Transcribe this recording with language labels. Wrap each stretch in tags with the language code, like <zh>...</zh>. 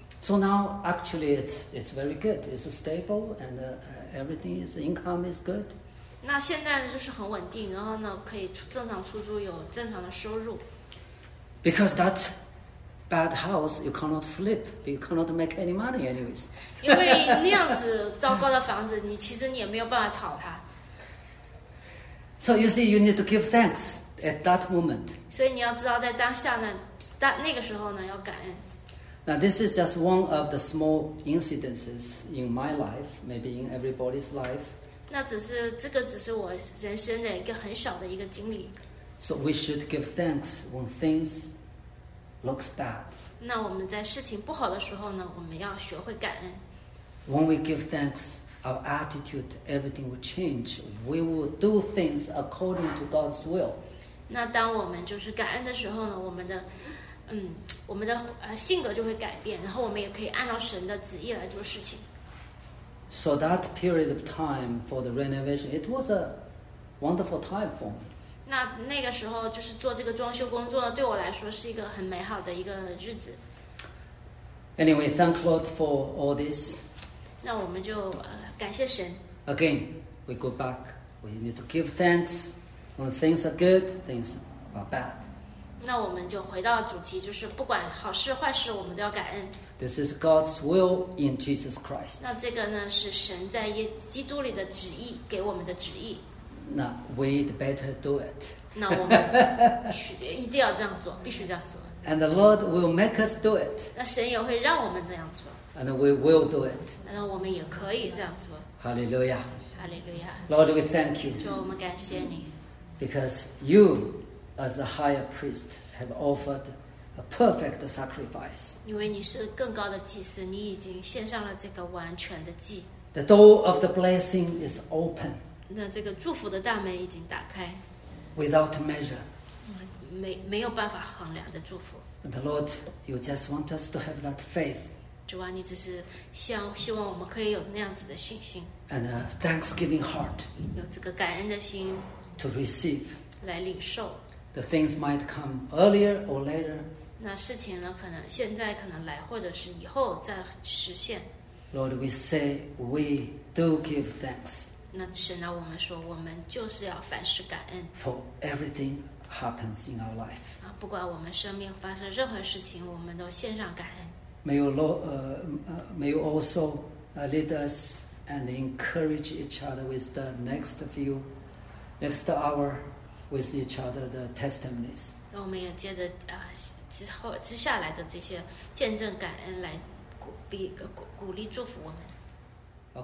<en>So now, actually, it's very good. It's stable, and everything is income is good.</en> <zh>那现在就是很稳定，然后呢，可以正常出租，有正常的收入。</zh> <en>Because that bad house, you cannot flip. You cannot make any money, anyways.</en> <zh>因为那样子糟糕的房子，你其实你也没有办法炒它。</zh> <en>So you see, you need to give thanks at that moment.</en> <zh>所以你要知道，在当下呢，那个时候呢，要感恩。</zh> <en>Now this is just one of the small incidences in my life, maybe in everybody's life.</en> <zh>那只是这个，只是我人生的一个很小的一个经历。</zh> <en>So we should give thanks when things looks bad.</en> <zh>那我们在事情不好的时候呢，我们要学会感恩。</zh> <en>When we give thanks, our attitude, everything will change. We will do things according to God's will.</en> <zh>那当我们就是感恩的时候呢，我们的我们的性格就会改变，然后我们也可以按照神的旨意来做事情。</zh> <en>So that period of time for the renovation, it was a wonderful time for me.</en> <zh>那个时候就是做这个装修工作呢，对我来说是一个很美好的一个日子。</zh> <en>Anyway, thank Lord for all this.</en> <zh>那我们就感谢神。</zh> <en>Again, we go back. We need to give thanks when things are good, things are bad.</en> <zh>那我们就回到主题，就是不管好事坏事，我们都要感恩。</zh> <en>This is God's will in Jesus Christ.</en> <zh>那这个呢，是神在基督里的旨意，给我们的旨意。</zh> <en>那 we'd better do it.</en> <zh>那我们一定要这样做，必须这样做。</zh> <en>And the Lord will make us do it.</en> <zh>那神也会让我们这样做。</zh> <en>And we will do it.</en> <zh>那我们也可以这样做。</zh> <en>Hallelujah. Hallelujah. Lord, we thank you.</en> <zh>主，我们感谢你。</zh> <en>Because you, as the higher priest, have offered a perfect sacrifice.</en> <zh>因为你是更高的祭司，你已经献上了这个完全的祭。</zh> <en>The door of the blessing is open.</en> <zh>那这个祝福的大门已经打开。</zh> <en>Without measure.</en> <zh>没有办法衡量的祝福。</zh> <en>And Lord, you just want us to have that faith.</en> <zh>主啊，你只是希望我们可以有那样子的信心。</zh> <en>And a thanksgiving heart.</en> <zh>有这个感恩的心。</zh> <en>To receive.</en> <zh>来领受。</zh> <en>The things might come earlier or later.</en> <zh>那事情呢，可能现在可能来，或者是以后再实现。</zh> <en>Lord, we say we do give thanks.</en> <zh>那神啊，我们说我们就是要凡事感恩。</zh> <en>For everything happens in our life.</en> <zh>啊，不管我们生命发生任何事情，我们都献上感恩。</zh> <en>May you also lead us and encourage each other with the next hour with each other the testimonies.</en> <zh>那我们也接着之下来的这些见证感恩来。鼓励祝福我们。</zh>